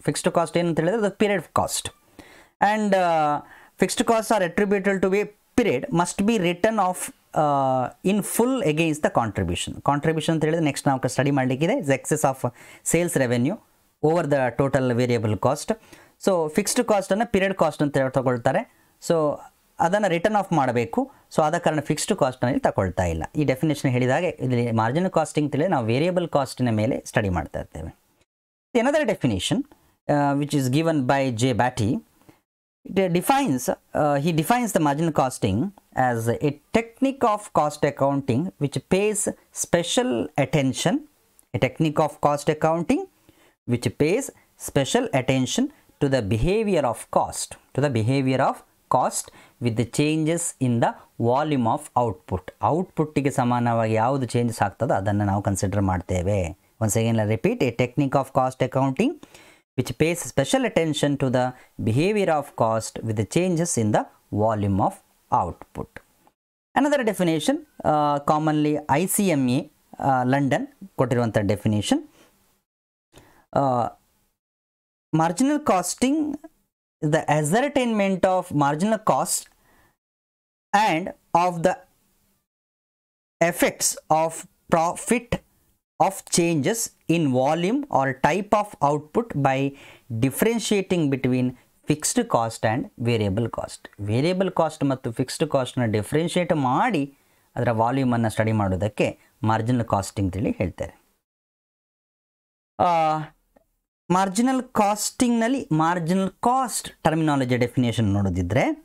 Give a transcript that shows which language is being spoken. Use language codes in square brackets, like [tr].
[en] Fixed cost in the period cost. And fixed costs are attributable to a period, must be written off in full against the contribution. Contribution is the next study is the excess of sales revenue over the total variable cost. So, fixed cost and period cost. [kn] So, ಅದನ್ನು return of ಮಾಡಬೇಕು. So ಆದ ಕಾರಣ fixed ಕಾಸ್ಟ್ನಲ್ಲಿ ತಗೊಳ್ತಾ ಇಲ್ಲ. ಈ definition ಹೇಳಿದಾಗೆ ಇಲ್ಲಿ margin casting ತಿಳಿದ್ರೆ ನಾವು ವೇರಿಯಬಲ್ ಕಾಸ್ಟಿನ ಮೇಲೆ ಸ್ಟಡಿ ಮಾಡ್ತಾ ಇರ್ತೇವೆ. ಏನದರ definition [en] Which is given by J Batty, it defines he defines the margin costing as a technique of cost accounting which pays special attention. A technique of cost accounting which pays special attention to the behaviour of cost, to the behaviour of cost with the changes in the volume of output. [kn] ಔಟ್ಪುಟ್ಟಿಗೆ ಸಮಾನವಾಗಿ ಯಾವುದು changes ಆಗ್ತದೋ ಅದನ್ನು ನಾವು consider ಮಾಡ್ತೇವೆ. [en] Once again repeat, a technique of cost accounting which pays special attention to the behaviour of cost with the changes in the volume of output. Another definition commonly I C M A London ಕೊಟ್ಟಿರುವಂಥ definition, marginal costing the ascertainment of marginal cost and of the effects of profit of changes in volume or type of output by differentiating between fixed cost and variable cost. [kn] Variable cost ಮತ್ತು fixed cost ನ differentiate ಮಾಡಿ ಅದರ volume ಅನ್ನು study ಮಾಡೋದಕ್ಕೆ marginal casting ಅಂತೇಳಿ ಹೇಳ್ತಾರೆ. Marginal ಕಾಸ್ಟಿಂಗ್ನಲ್ಲಿ marginal cost terminology definition ನೋಡೋದಿದ್ರೆ,